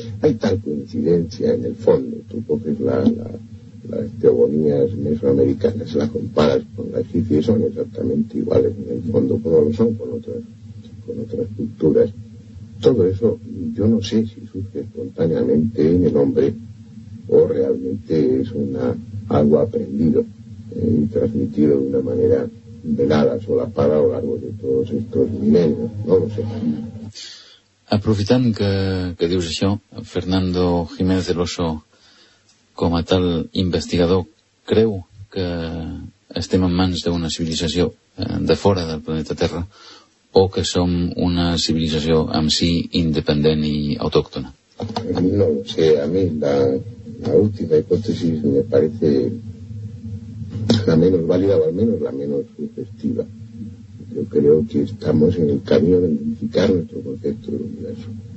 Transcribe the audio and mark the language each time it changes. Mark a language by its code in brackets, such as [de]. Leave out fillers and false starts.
[es] Hay tal coincidencia en el fondo, tú coges las teogonías mesoamericanas, las comparas con la egipcia y son exactamente iguales en el fondo, como lo son con otras culturas. Todo eso yo no sé si surge espontáneamente en el hombre o realmente es algo aprendido y transmitido de una manera veladas o la para a lo largo de todos estos milenios, no lo sé. [ca] Aprofitant que dius això, Fernando Jiménez del Oso, com a tal investigador, creu que estem en mans d'una civilització de fora del planeta Terra, o que som una civilització en si independent i autòctona? [es] No lo sé, a mi la última hipòtesis me parece la menos válida, o al menos la menos sugestiva. Yo creo que estamos en el camino de unificar nuestro concepto del universo.